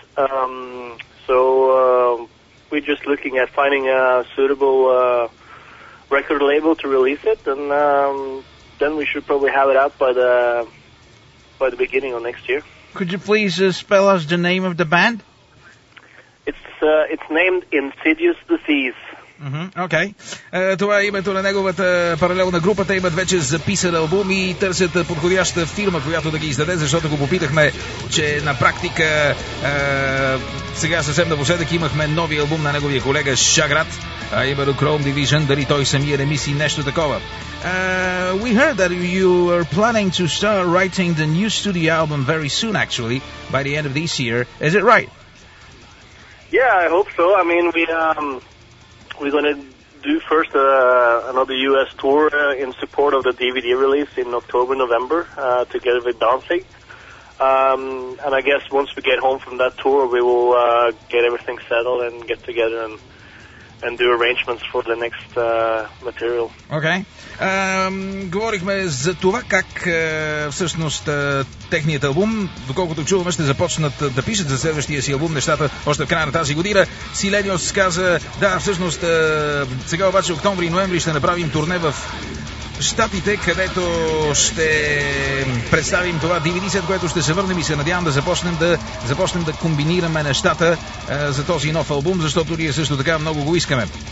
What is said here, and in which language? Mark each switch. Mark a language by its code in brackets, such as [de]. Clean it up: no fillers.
[en] So we're just looking at finding a suitable record label to release it, and then we should probably have it out by the beginning of next year. Could you please spell us the name of the band? It's named Insidious Disease. Mm-hmm. Okay. [bg] Това е името на неговата паралелна група. Те имат вече записан албум и търсят подходяща фирма, която да ги издаде, защото го попитахме, че на практика сега съвсем напоследък имахме нови албум на неговия колега Шаграт, а именно Chrome Division, дали той самия не мисли нещо такова. [en] We heard that you are planning to start writing the new studio album very soon, actually, by the end of this year. Is it right? Yeah, I hope so. I mean, we're going to do first another U.S. tour in support of the DVD release in October, November, together with Danzig. And I guess once we get home from that tour, we will get everything settled and get together and do arrangements for the next material. Okay. [bg] Говорихме за това как всъщност техният албум, доколкото чуваме, ще започнат да пишат за следващия си албум нещата още в края на тази година. Силениос каза, да, всъщност сега обаче октомври и ноември ще направим турне в Штатите, където ще представим това DVD, след което ще се върнем и се надявам да започнем да комбинираме нещата за този нов албум, защото ние също така много го искаме.